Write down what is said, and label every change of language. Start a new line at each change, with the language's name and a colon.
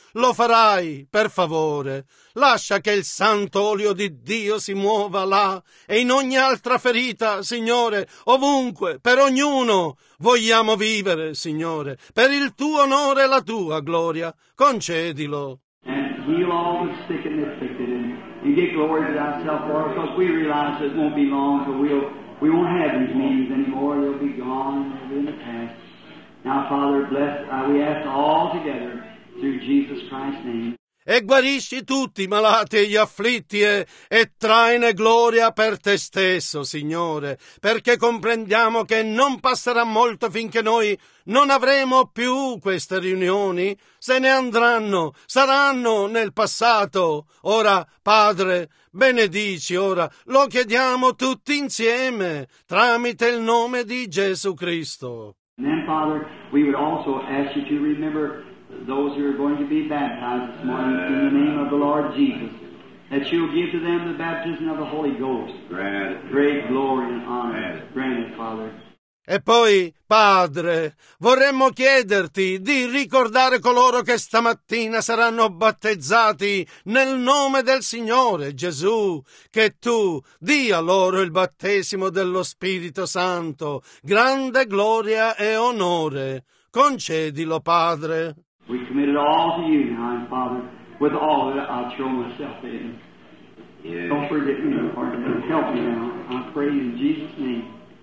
Italian: Lo farai, per favore. Lascia che il santo olio di Dio si muova là e in ogni altra ferita, Signore, ovunque, per ognuno, vogliamo vivere, Signore, per il tuo onore e la tua gloria. Concedilo.
English: And heal all the sick and afflicted and get glory to thyself, Lord, because we realize it won't be long, so we won't have these meetings anymore. They'll be gone, they'll be in the past. Now, Father, bless, we ask all together through Jesus Christ's name.
Italian: E guarisci tutti i malati e gli afflitti e traine gloria per te stesso, Signore, perché comprendiamo che non passerà molto finché noi non avremo più queste riunioni. Se ne andranno, saranno nel passato. Ora, Padre, benedici ora, lo chiediamo tutti insieme, tramite il nome di Gesù Cristo.
English: And then, Father, we would also ask you to remember those who are going to be baptized this morning in the name of the Lord Jesus, that you'll give to them the baptism of the Holy Ghost. Granted. Great glory and honor. Granted, Father.
Italian: E poi, Padre, vorremmo chiederti di ricordare coloro che stamattina saranno battezzati nel nome del Signore Gesù, che tu dia loro il battesimo dello Spirito Santo, grande gloria e onore. Concedilo, Padre.
English: We commit it all to you now, Father, with all that I throw myself in. Yes. Don't forget me, Father. Help me now. I pray in Jesus' name.